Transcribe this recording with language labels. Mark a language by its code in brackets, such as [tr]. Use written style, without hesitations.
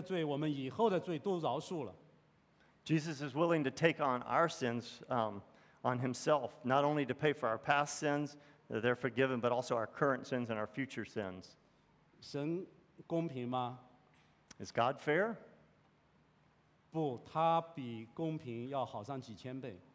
[zh] 神承受了我们的罪，饶恕的不仅是我们过去的罪，也把我们今天的罪、我们以后的罪都饶恕了。Jesus [en] is willing to take on our sins on himself, not only to pay for our past sins, they're forgiven, but also our current sins and our future sins. [zh] 神公平吗？ [en] Is God fair? [zh] 不，他比公平要好上几千倍。